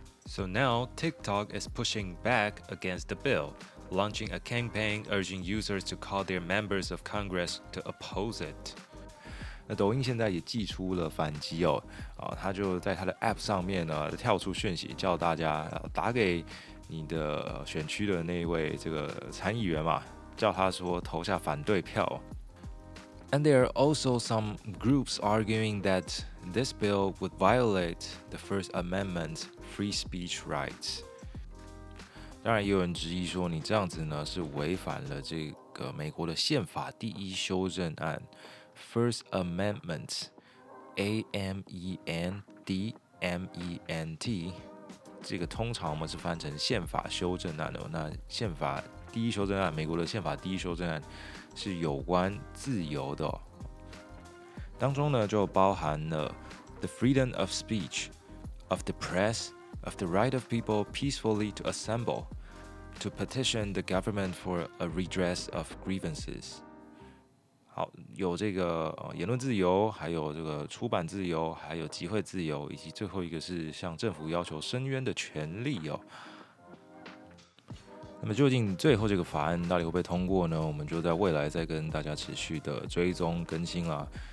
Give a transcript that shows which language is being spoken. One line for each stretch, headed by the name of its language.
English: So now, TikTok is pushing back against the bill, launching a campaign urging users to call their members of Congress to oppose it.
Chinese: 那抖音现在也祭出了反击哦，他就在他的 App 上面呢跳出讯息，叫大家打给你的选区的那位这个参议员嘛，叫他说投下反对票。
English: And there are also some groups arguing that this bill would violate the First Amendment free speech rights。
Chinese: 当然，也有人质疑说，你这样子呢是违反了这个美国的宪法第一修正案 First Amendment (A-M-E-N-D-M-E-N-T)。这个通常我们是翻成宪法修正案的。那宪法第一修正案，美国的宪法第一修正案是有关自由的。当中呢就包含了
English: the freedom of speech, of the press, of the right of people peacefully to assemble, to petition the government for a redress of grievances。
Chinese: 好，有这个言论自由，还有这个出版自由，还有集会自由，以及最后一个是向政府要求申冤的权利哦。那么究竟最后这个法案到底会被通过呢？我们就在未来再跟大家持续的追踪更新啦。